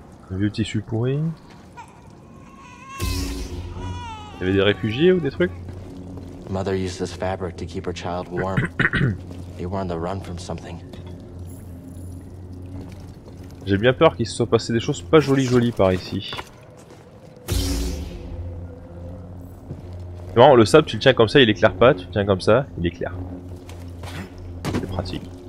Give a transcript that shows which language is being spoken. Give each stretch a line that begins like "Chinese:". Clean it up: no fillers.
French: Vieux tissu pourri. Il y avait des réfugiés ou des trucs?
English: Mother used this fabric to keep her child warm. They were on the run from something.
French: J'ai bien peur qu'il se soit passé des choses pas jolies jolies par ici. Non, le sable, tu le tiens comme ça, il éclaire pas. Tu le tiens comme ça, il éclaire. C'est pratique.